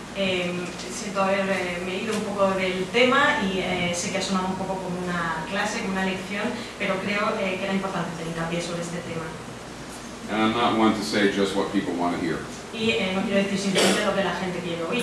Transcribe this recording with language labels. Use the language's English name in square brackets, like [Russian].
[Spanish] Siento haberme ido un poco del tema, y sé que ha sonado un poco como una clase, como una lección, pero creo que era importante tener hincapié sobre este tema. [English] And I'm not one to say just what people want to hear. [Spanish] Y no quiero decir simplemente lo que la gente quiere oír.